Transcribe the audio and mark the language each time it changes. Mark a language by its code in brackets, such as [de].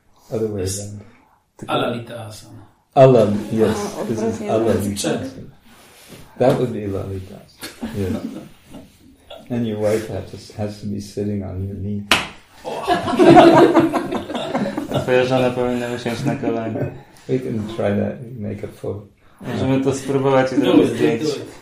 [en] Other way then. Alalitasana. Alam, yes. This is Alalitasana. That would be Lalitasana. Yes. And your wife has to be sitting on your knee. [pl] Twoja żona powinna usiąść na kolanie. [en] We can try that and make a photo. [pl] Możemy to spróbować i zrobić zdjęcie.